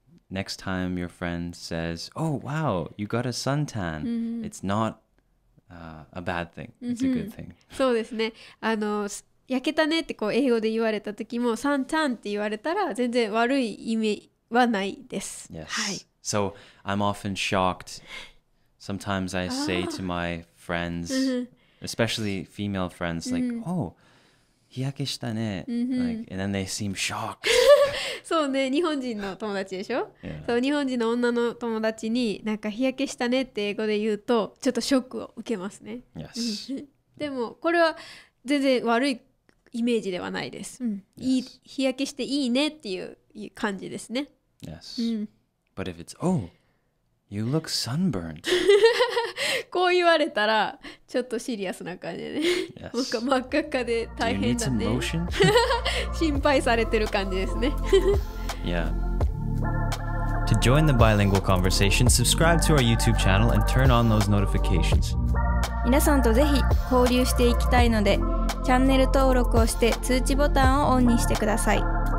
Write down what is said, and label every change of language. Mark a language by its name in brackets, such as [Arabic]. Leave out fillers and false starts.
[English] Next time your friend says, oh, wow, you got a suntan. It's not a bad thing. It's a good thing. [Japanese] そうですね。あの、焼けたねってこう英語で言われた時も、suntan って言われたら全然悪い意味はないです。 [English] Yes. [Japanese] はい。 [English] So I'm often shocked. Sometimes I say to my friends, especially female friends, like, oh, [Japanese] 日焼けしたね。 [English] Like, and then they seem shocked. [Japanese] そうね、日本人の友達でしょ。そう、日本人の女の友達になんか日焼けしたねって英語で言うとちょっとショックを受けますね。 [English] Yes. [Japanese] でもこれは全然悪いイメージではないです。いい、日焼けしていいねっていうという感じですね。 [English] Yes.、うん、But if it's, oh, you look sunburned. [Japanese] こう言われたらちょっとシリアスな感じでね。 [English] Yes. [Japanese] 僕は真っ赤っかで大変だね。 [English] Do you need some lotion? [Japanese] 心配されてる感じですね。 [English] yeah. To join the bilingual conversation, subscribe to our YouTube channel and turn on those notifications. [Japanese] 皆さんとぜひ交流していきたいので、チャンネル登録をして通知ボタンをオンにしてください。